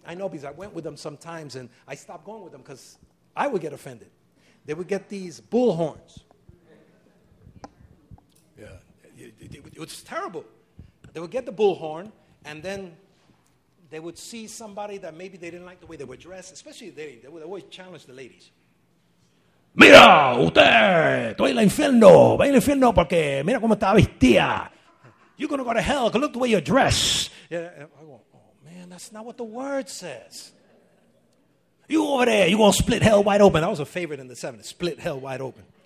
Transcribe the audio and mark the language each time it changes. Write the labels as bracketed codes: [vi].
[en] I know because I went with them sometimes, and I stopped going with them because I would get offended. They would get these bull horns. Yeah, it was terrible. They would get the bullhorn, and then they would see somebody that maybe they didn't like the way they were dressed, especially they would always challenge the ladies. [es] Mira, usted, estoy en el infierno, va en el infierno porque mira cómo está vestida. [en] You're going to go to hell because look the way you're dressed. Yeah, I go, oh man, that's not what the Word says. You over there, you're going to split hell wide open. That was a favorite in the 70s, split hell wide open.